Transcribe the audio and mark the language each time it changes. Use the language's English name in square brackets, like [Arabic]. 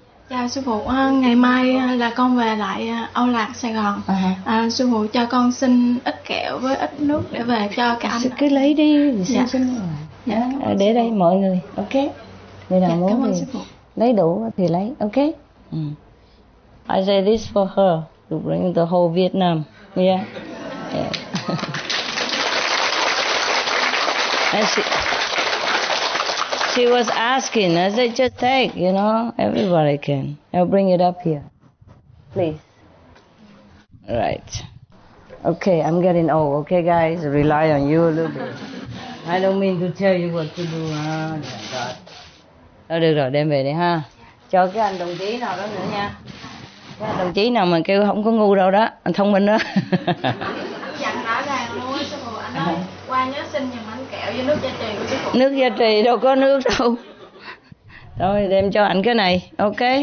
[Vietnamese] Chào sư phụ, ngày mai là con về lại Âu Lạc, Sài Gòn. Sư phụ cho con xin ít kẹo với ít nước để về cho cả anh. Sư cứ lấy đi, xin xin. Dạ, để đây mọi người, ok. Người nào muốn thì lấy đủ thì lấy, ok. [English] I say this for her, to bring the whole Vietnam, yeah. And she was asking, I said, just take, you know, everybody can. I'll bring it up here. Please. Right. Okay, I'm getting old, okay, guys? Rely on you a little bit. I don't mean to tell you what to do, huh? Oh, my God. [Vietnamese] Thôi được rồi, đem về đi ha. Cho cái anh đồng chí nào đó nữa nha. Cái anh đồng chí nào mà kêu không có ngu đâu đó, anh thông minh đó. Dặn rõ ràng luôn á, sư phụ. Anh nói qua nhớ xin giùm anh kẹo với nước gia trì của sư phụ. Nước gia trì đâu có nước đâu. Thôi đem cho anh cái này, ok.